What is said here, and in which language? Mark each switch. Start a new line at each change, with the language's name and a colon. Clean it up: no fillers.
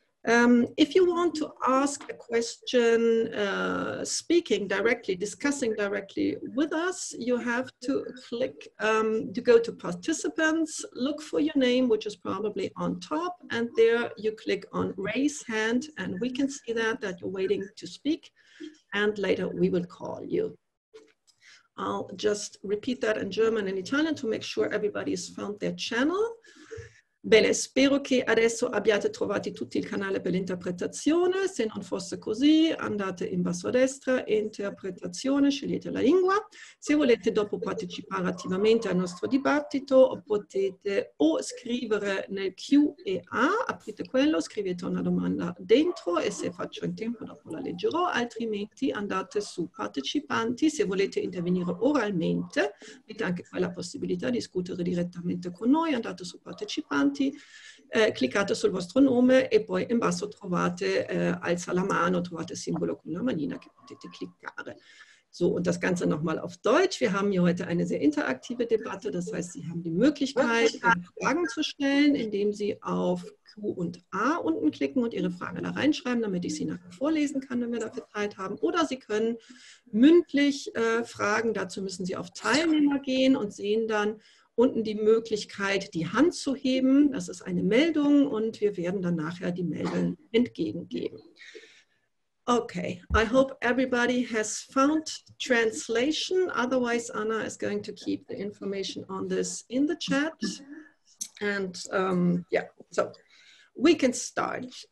English: If you want to ask a question speaking directly, discussing directly with us, you have to click to go to participants, look for your name, which is probably on top, and there you click on raise hand, and we can see that you're waiting to speak, and later we will call you. I'll just repeat that in German and Italian to make sure everybody has found their channel.
Italian: Bene, spero che adesso abbiate trovati tutti il canale per l'interpretazione. Se non fosse così, andate in basso a destra, interpretazione, scegliete la lingua. Se volete dopo partecipare attivamente al nostro dibattito, potete o scrivere nel Q&A, aprite quello, scrivete una domanda dentro e se faccio in tempo dopo la leggerò, altrimenti andate su partecipanti. Se volete intervenire oralmente, avete anche quella possibilità di discutere direttamente con noi, andate su partecipanti. Cliccate sul vostro nome e poi in basso trovate alza la mano, trovate il simbolo con la manina che potete cliccare.
German: So, und das Ganze nochmal auf Deutsch. Wir haben hier heute eine sehr interaktive Debatte, das heißt, Sie haben die Möglichkeit, Fragen zu stellen, indem Sie auf Q und A unten klicken und Ihre Frage da reinschreiben, damit ich sie nachher vorlesen kann, wenn wir dafür Zeit haben. Oder Sie können mündlich fragen, dazu müssen Sie auf Teilnehmer gehen und sehen dann, unten die Möglichkeit, die Hand zu heben. Das ist eine Meldung und wir werden dann nachher die Meldung entgegengeben.
English: Okay, I hope everybody has found translation. Otherwise, Anna is going to keep the information on this in the chat. And yeah, so we can start.